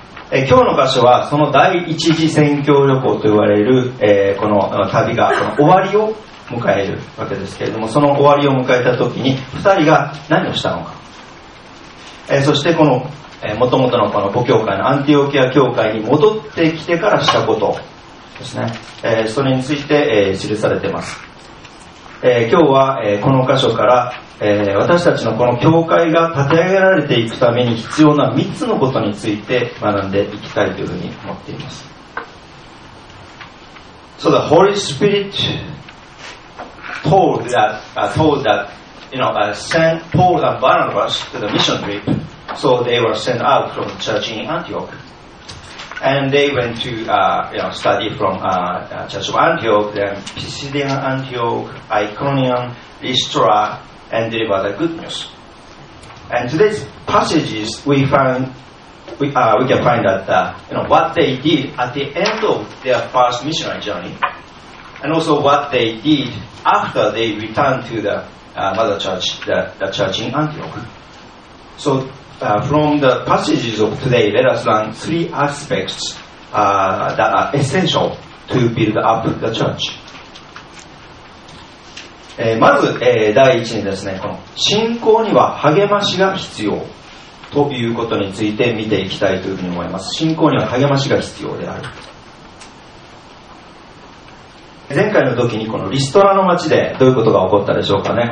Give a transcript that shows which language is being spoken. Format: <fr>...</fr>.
<ja>今日の箇所はその第一次宣教旅行と言われる、この旅がその終わりを迎えるわけですけれども、その終わりを迎えた時に二人が何をしたのか、そしてこの、元々のこの母教会のアンティオキア教会に戻ってきてからしたことですね、それについて、記されています。今日は、この箇所から、私たちのこの教会が立て上げられていくために必要な3つのことについて学んでいきたいというふうに思っています。</ja> <en>So the Holy Spirit told that, you know, sent Paul and Barnabas to the mission trip. So they were sent out from the church in Antioch. And they went to study from church of Antioch, then Pisidian Antioch, Iconium, Lystra, and deliver the good news. And today's passages, we can find that what they did at the end of their first missionary journey, and also what they did after they returned to the mother church, the church in Antioch. So, from the passages of today, let us learn three aspects that are essential to build up the church.</en> <ja>まず、第一にですね、この信仰には励ましが必要ということについて見ていきたいというふうに思います。信仰には励ましが必要である。前回の時にこのリストラの町でどういうことが起こったでしょうかね。</ja>